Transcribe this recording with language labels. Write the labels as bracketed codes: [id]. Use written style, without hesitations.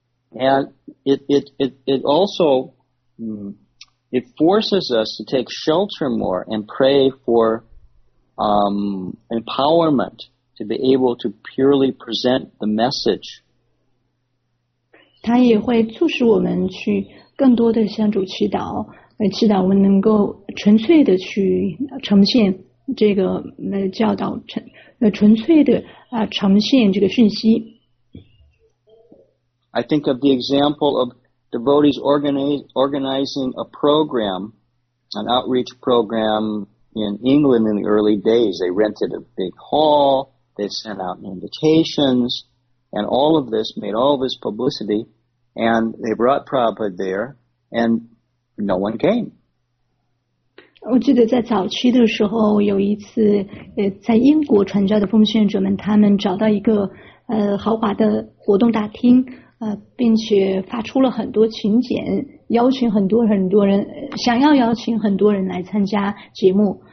[en] And it also, it forces us to take shelter more and pray for empowerment to be able to purely present the message. [zh] 它也会促使我们去更多的向主祈祷，祈祷我们能够纯粹的去呈现这个教导，纯粹的呈现这个讯息。 [en] I think of the example of devotees organizing a program, an outreach program in England in the early days. They rented a big hall, they sent out invitations, and all of this made all this publicity, and they brought Prabhupada there, and no one came. [zh] 我记得在早期的时候，有一次在英国传教的奉献者们，他们找到一个豪华的活动大厅，并且发出了很多请柬，邀请很多很多人，想要邀请很多人来参加节目。